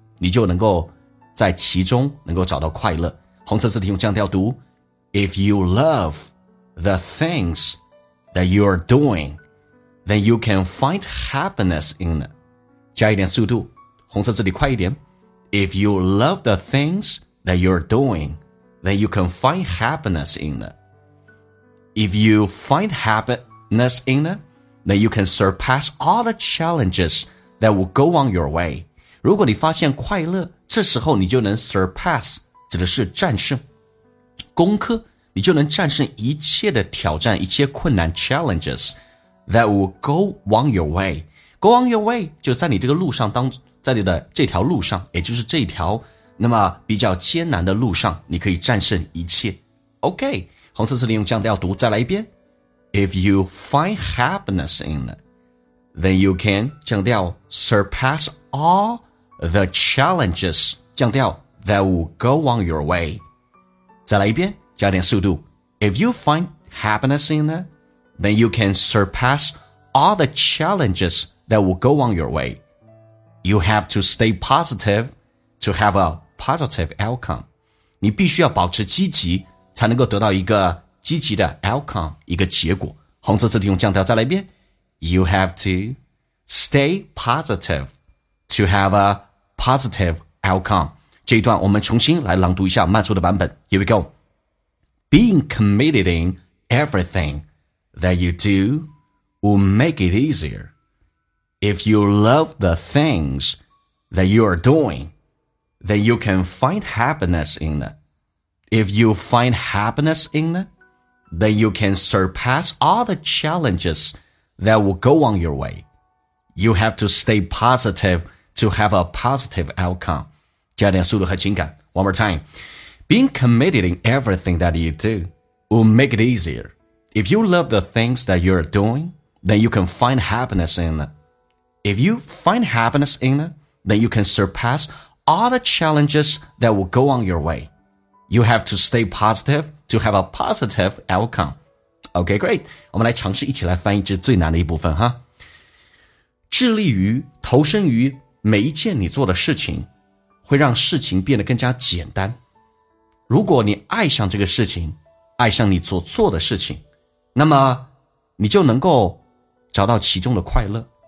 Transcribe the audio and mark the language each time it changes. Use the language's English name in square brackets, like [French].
[Chinese] 你就能够在其中能够找到快乐。红色字体用降调读。 [English] If you love the things that you are doing, then you can find happiness in it. [Chinese] 加一点速度，红色字体快一点。 [English] If you love the things that you are doing, then you can find happiness in it. If you find happiness in it, then you can surpass all the challenges. That will go on your way. [Chinese] 如果你发现快乐，这时候你就能 surpass， 指的是战胜、攻克，你就能战胜一切的挑战、一切困难 [English] challenges that will go on your way. Go on your way [Chinese] 就在你这个路上当，在你的这条路上，也就是这条那么比较艰难的路上，你可以战胜一切。 OK， 红色字体用降调读，再来一遍。 [English] If you find happiness in it. Then you can, [Chinese] 降调, [English] surpass all the challenges, 降调, that will go on your way. [Chinese] 再来一遍,加点速度。 [English] If you find happiness in it, then you can surpass all the challenges that will go on your way. You have to stay positive to have a positive outcome. [Chinese] 你必须要保持积极才能够得到一个积极的 outcome, 一个结果。红色字体用降调再来一遍。 [English] You have to stay positive to have a positive outcome. [Chinese] 这一段我们重新来朗读一下慢速的版本。 [English] Here we go. Being committed in everything that you do will make it easier. If you love the things that you are doing, then you can find happiness in it. If you find happiness in it, then you can surpass all the challenges. That will go on your way. You have to stay positive to have a positive outcome. [Chinese] 加点速度和情感。 [English] One more time. Being committed in everything that you do will make it easier. If you love the things that you're doing, then you can find happiness in it. If you find happiness in it, then you can surpass all the challenges that will go on your way. You have to stay positive to have a positive outcome. OK, great. [Chinese] 我们来尝试一起来翻译这最难的一部分哈。致力于、投身于每一件你做的事情，会让事情变得更加简单。如果你爱上这个事情，爱上你所做的事情，那么你就能够找到其中的快乐。